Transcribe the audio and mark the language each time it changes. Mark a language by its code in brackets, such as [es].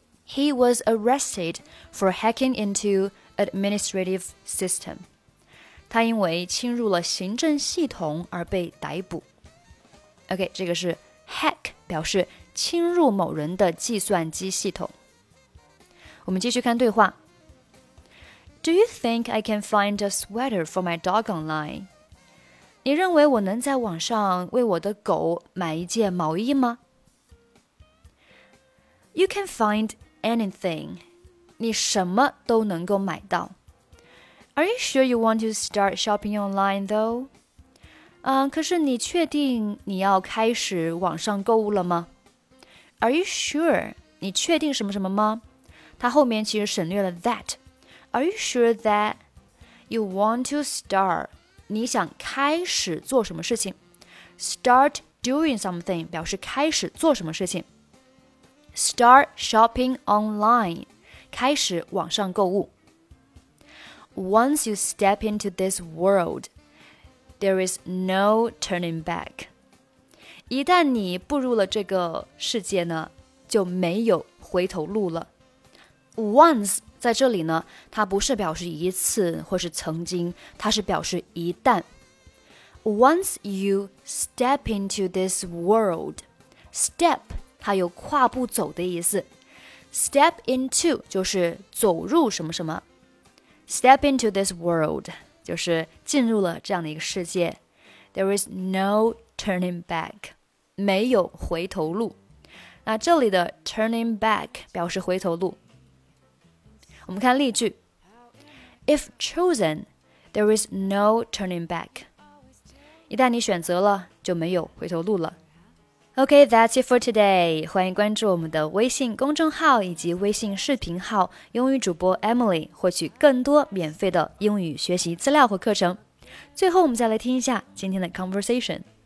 [en] He was arrested for hacking intoadministrative system. [zh] 他因为侵入了行政系统而被逮捕。 OK, 这个是 hack, 表示侵入某人的计算机系统。我们继续看对话。 [en] Do you think I can find a sweater for my dog online? [zh] 你认为我能在网上为我的狗买一件毛衣吗？ [en] You can find anything. [zh] 你什么都能够买到。 [en] Are you sure you want to start shopping online, though? [zh] 可是你确定你要开始网上购物了吗？ [en] Are you sure? [zh] 你确定什么什么吗？它后面其实省略了 that. [en] Are you sure that you want to start? [zh] 你想开始做什么事情？ [en] Start doing something [zh] 表示开始做什么事情。 [en] Start shopping online. [zh] 开始网上购物。 [en] Once you step into this world, there is no turning back. [zh] 一旦你步入了这个世界呢，就没有回头路了。 Once 在这里呢，它不是表示一次或是曾经，它是表示一旦。 [en] Once you step into this world, step [zh] 它有跨步走的意思。 Step into 就是走入什么什么。 [en] Step into this world [zh] 就是进入了这样的一个世界。 [en] There is no turning back. [zh] 没有回头路。那这里的 turning back 表示回头路。我们看例句 [en] If chosen, there is no turning back. [zh] 一旦你选择了，就没有回头路了。 [en] OK, that's it for today. [zh] 欢迎关注我们的微信公众号以及微信视频号英语主播 Emily, 获取更多免费的英语学习资料和课程。最后我们再来听一下今天的 conversation。